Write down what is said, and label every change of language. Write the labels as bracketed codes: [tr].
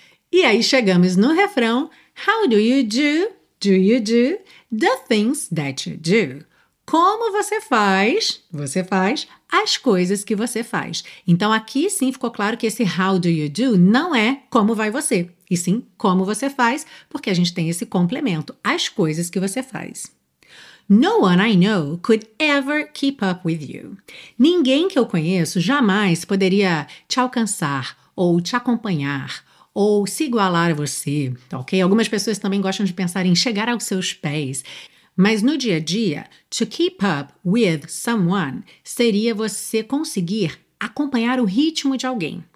[pt] E aí chegamos no refrão, [en] how do you do the things that you do? [pt] Como você faz as coisas que você faz. Então aqui sim ficou claro que esse how do you do não é como vai você, e sim como você faz, porque a gente tem esse complemento, as coisas que você faz. [en] No one I know could ever keep up with you. [pt] Ninguém que eu conheço jamais poderia te alcançar ou te acompanhar ou se igualar a você, ok? Algumas pessoas também gostam de pensar em chegar aos seus pés. Mas no dia a dia, [en] to keep up with someone [pt] seria você conseguir acompanhar o ritmo de alguém.